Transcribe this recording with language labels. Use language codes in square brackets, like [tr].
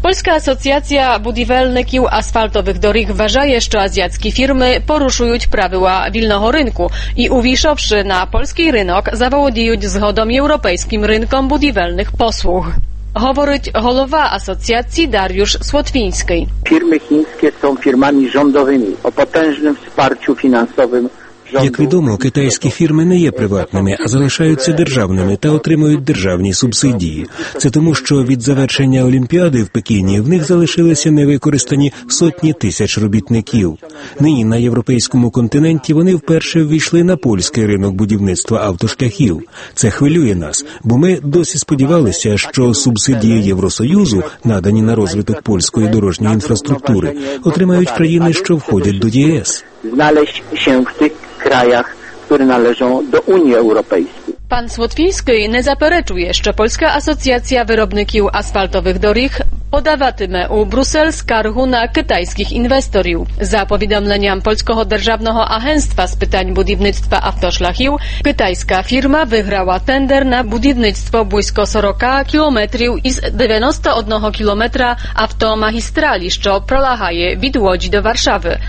[uk] Польська асоціація будівельників асфальтових доріг вважає, що азіатські фірми порушують правила вільного ринку і, увійшовши на польський ринок, заволодіють згодом європейським ринком будівельних послуг. Говорить голова асоціації Дар'юш Слотвінський. Фірми [pl] хińskie są firmami rządowymi o potężnym wsparciu finansowym. [uk] Як відомо, китайські фірми не є приватними, а залишаються державними та отримують державні субсидії. Це тому, що від завершення Олімпіади в Пекіні в них залишилися невикористані сотні тисяч робітників. Нині на європейському континенті вони вперше ввійшли на польський ринок будівництва автошляхів. Це хвилює нас, бо ми досі сподівалися, що субсидії Євросоюзу, надані на розвиток польської дорожньої інфраструктури, отримають країни, що входять до ЄС. [pl] Krajach, które należą do Unii Europejskiej. [uk] Пан Слотвінський не заперечує, що Польська асоціація виробників асфальтових доріг подаватиме у Брюссель скаргу на китайських інвесторів. За повідомленням Польського державного агентства з питань будівництва автошляхів, китайська фірма виграла тендер на будівництво близько 40 кілометрів із 91 кілометра автомагістралі, що пролягає від Łodzi до Варшави.